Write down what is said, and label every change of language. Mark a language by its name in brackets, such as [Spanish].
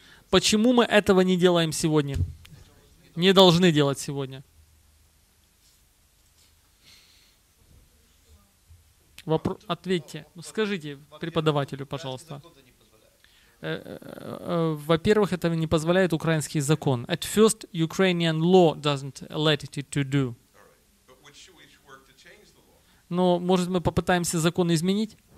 [Russian] Почему мы этого не делаем сегодня? Не должны делать сегодня. Ответьте. Скажите преподавателю, пожалуйста. Во-первых, это не позволяет украинский закон. [English] At first, Ukrainian law doesn't let it to do. But should we work to change the law? [Russian] Но, может, мы попытаемся закон изменить?